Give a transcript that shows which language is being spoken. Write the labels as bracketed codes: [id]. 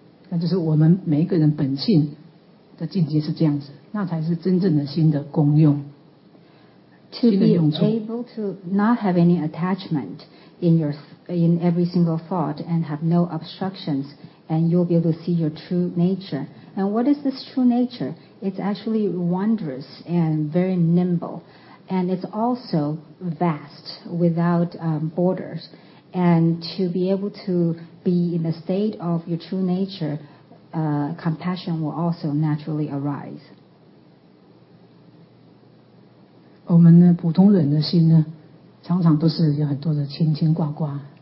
[zh] 那就是我们每一个人本性的境界是这样子，那才是真正的心的功用。 [en] To be able to not have any attachment in every single thought and have no obstructions, and you'll be able to see your true nature. And what is this true nature? It's actually wondrous and very nimble, and it's also vast without borders. And to be able to be in the state of your true nature, compassion will also naturally arise. [zh] 我们呢，普通人的心呢，常常都是有很多的牵牵挂挂。